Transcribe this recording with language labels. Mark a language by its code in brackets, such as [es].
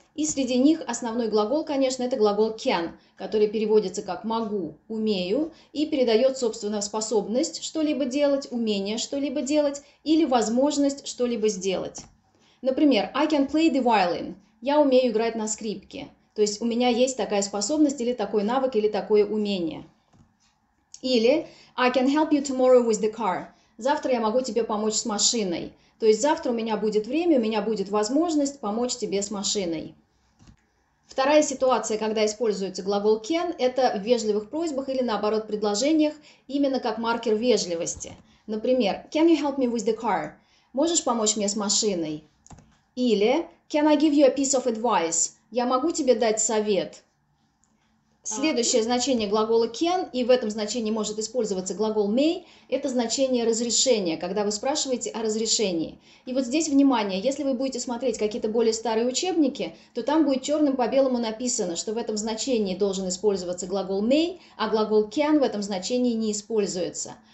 [ru] И среди них основной глагол, конечно, это глагол can, который переводится как могу, умею, и передает, собственно, способность что-либо делать, умение что-либо делать или возможность что-либо сделать. Например, [en] I can play the violin. [ru] Я умею играть на скрипке. То есть у меня есть такая способность или такой навык или такое умение. Или [en] I can help you tomorrow with the car. [ru] Завтра я могу тебе помочь с машиной. То есть завтра у меня будет время, у меня будет возможность помочь тебе с машиной. Вторая ситуация, когда используется глагол can, это в вежливых просьбах или наоборот предложениях, именно как маркер вежливости. Например, [en] can you help me with the car? [ru] Можешь помочь мне с машиной? Или [en] can I give you a piece of advice? [ru] Я могу тебе дать совет? Следующее значение глагола can, и в этом значении может использоваться глагол may, это значение разрешения, когда вы спрашиваете о разрешении. И вот здесь внимание, если вы будете смотреть какие-то более старые учебники, то там будет черным по белому написано, что в этом значении должен использоваться глагол may, а глагол can в этом значении не используется.